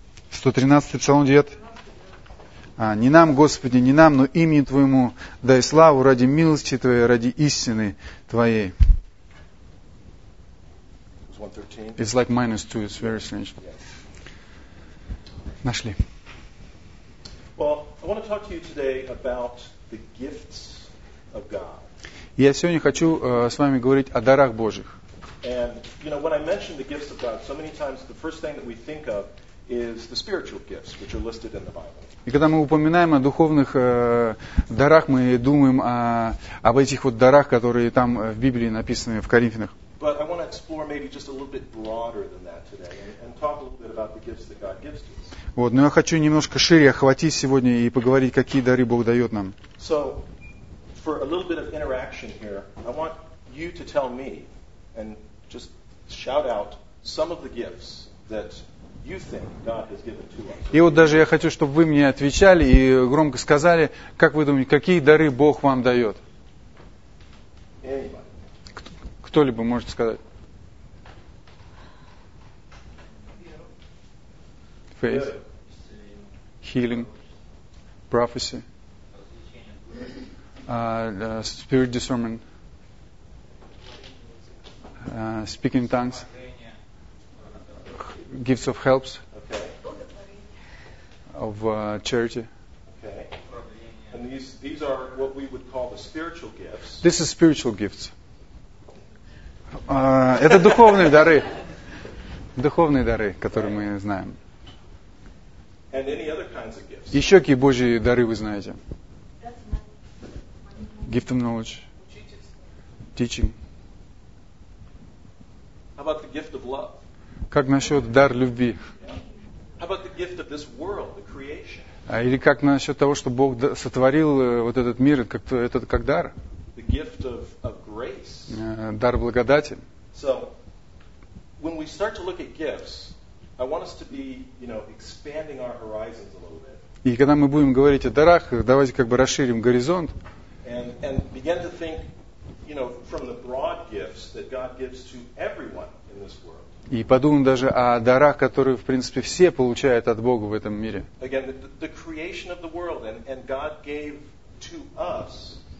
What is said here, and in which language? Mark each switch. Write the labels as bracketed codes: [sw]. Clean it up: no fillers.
[ru] 113 псалом 9. Не нам, Господи, не нам, но имени Твоему дай славу ради милости Твоей, ради истины Твоей. [en] It's like minus two, it's very strange. [ru] Нашли. [en] Well, I want to talk to you today about the gifts of God. [ru] Я сегодня хочу с вами говорить о дарах Божьих. [en] And you know, when I mention the gifts of God, so many times the first thing that we think of is the spiritual gifts, which are listed in the Bible. [ru] И когда мы упоминаем о духовных дарах, мы думаем об этих вот дарах, которые там в Библии написаны в Коринфянах. [en] But I want to explore maybe just a little bit broader than that today and talk a little bit about the gifts that God gives to us. [ru] Вот, но я хочу немножко шире охватить сегодня и поговорить, какие дары Бог дает нам. [en] So, for a little bit of interaction here, I want you to tell me and just shout out some of the gifts that you think God has given to us. [ru] И вот даже я хочу, чтобы вы мне отвечали и громко сказали, как вы думаете, какие дары Бог вам дает? Кто-либо может сказать? [en] Faith. Healing. Prophecy. Spirit discernment. Speaking in tongues. Gifts of helps. Of charity. And these are what we would call the spiritual gifts. This is spiritual gifts. [ru] Это духовные дары. Духовные дары, которые мы знаем. Еще какие Божьи дары вы знаете? [en] Gift of knowledge. Teaching. How about the gift of love? [ru] Как насчет дар любви? [en] How about the gift of this world, the creation? [ru] Или как насчет того, что Бог сотворил вот этот мир, этот как дар? [en] The gift of grace. [ru] Дар благодати. [en] So, when we start to look at gifts, I want us to be, you know, expanding our horizons a little bit. [ru] И когда мы будем говорить о дарах, давайте как бы расширим горизонт. [en] And begin to think, you know, from the broad gifts that God gives to everyone in this world. [ru] И подумаем даже о дарах, которые, в принципе, все получают от Бога в этом мире. [en] Again, the creation of the world, and God gave to us.